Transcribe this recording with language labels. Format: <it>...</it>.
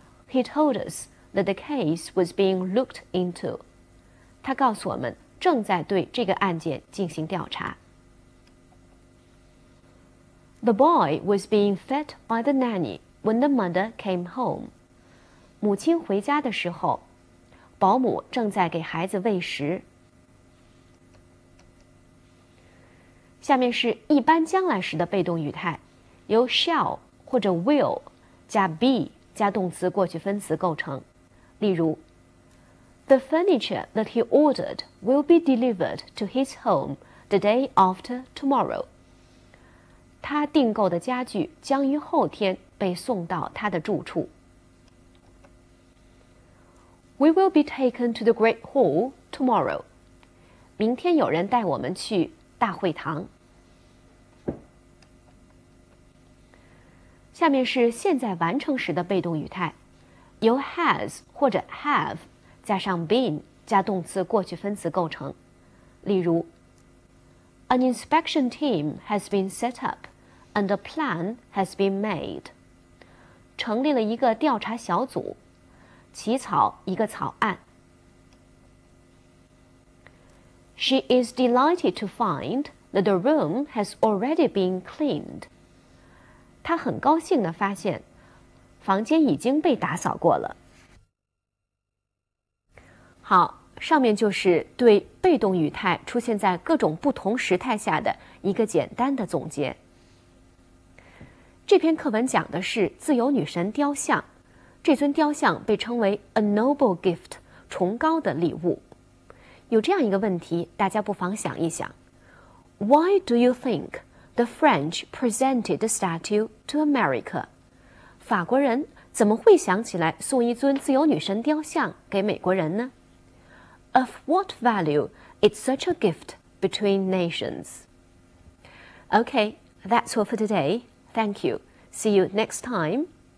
<en>,He told us that the case was being looked into.</en> <zh>他告诉我们正在对这个案件进行调查。</zh> <en>The boy was being fed by the nanny when the mother came home.</en> <zh>母亲回家的时候，保姆正在给孩子喂食。下面是一般将来时的被动语态，由 shall 或者 will 加 be 加动词过去分词构成。例如</zh> <en>The furniture that he ordered will be delivered to his home the day after tomorrow.</en> <zh>他订购的家具将于后天被送到他的住处。</zh> <en>We will be taken to the Great Hall tomorrow.</en> <zh>明天有人带我们去大会堂。下面是现在完成时的被动语态，由 has 或者 have加上 been 加动词过去分词构成。例如</zh> <en>An inspection team has been set up and a plan has been made.</en> <zh>成立了一个调查小组，起草一个草案。</zh> <en>She is delighted to find that the room has already been cleaned.</en> <zh>她很高兴地发现房间已经被打扫过了。好，上面就是对被动语态出现在各种不同时态下的一个简单的总结。这篇课文讲的是自由女神雕像，这尊雕像被称为</zh> <en>a noble gift,</en> <zh>崇高的礼物。有这样一个问题，大家不妨想一想。</zh> <en>Why do you think the French presented the statue to America?</en> <zh>法国人怎么会想起来送一尊自由女神雕像给美国人呢？</zh> <en>Of what value is such a gift between nations? Okay, that's all for today. Thank you. See you next time.</en>